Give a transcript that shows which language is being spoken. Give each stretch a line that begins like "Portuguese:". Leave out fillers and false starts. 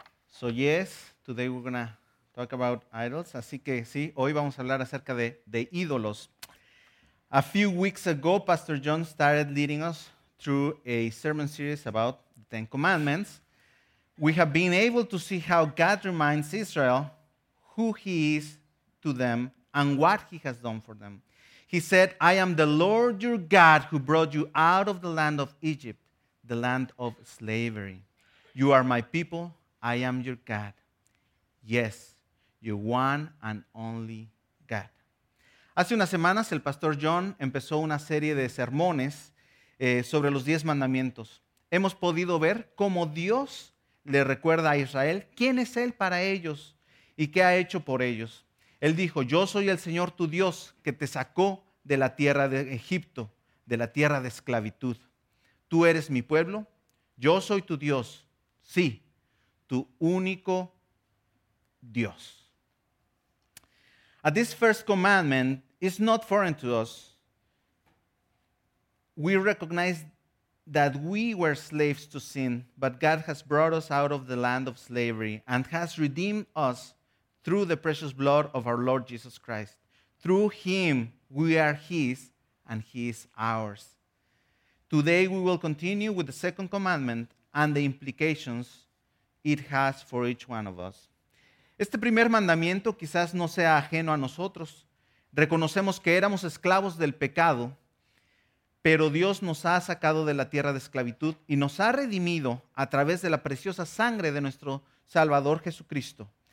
English: So yes, today we're going to talk about idols.
Spanish: Así que sí, hoy vamos a hablar acerca de ídolos.
English: A few weeks ago, Pastor John started leading us through a sermon series about the Ten Commandments. We have been able to see how God reminds Israel who he is to them and what he has done for them. He said, I am the Lord your God who brought you out of the land of Egypt, the land of slavery. You are my people. I am your God. Yes, your one and only God.
Spanish: Hace unas semanas, el Pastor John empezó una serie de sermones sobre los 10 mandamientos. Hemos podido ver cómo Dios le recuerda a Israel quién es Él para ellos y qué ha hecho por ellos. Él dijo, yo soy el Señor tu Dios que te sacó de la tierra de Egipto, de la tierra de esclavitud. Tú eres mi pueblo, yo soy tu Dios, sí, tu único Dios.
English: At this first commandment is not foreign to us. We recognize that we were slaves to sin, but God has brought us out of the land of slavery and has redeemed us through the precious blood of our Lord Jesus Christ. Through him, we are his and he is ours. Today, we will continue with the second commandment and the implications it has for each one of us.
Spanish: Este primer mandamiento quizás no sea ajeno a nosotros. Reconocemos que éramos esclavos del pecado, pero Dios nos ha sacado de la tierra de esclavitud y nos ha redimido a través de la preciosa sangre de nuestro Salvador Jesucristo.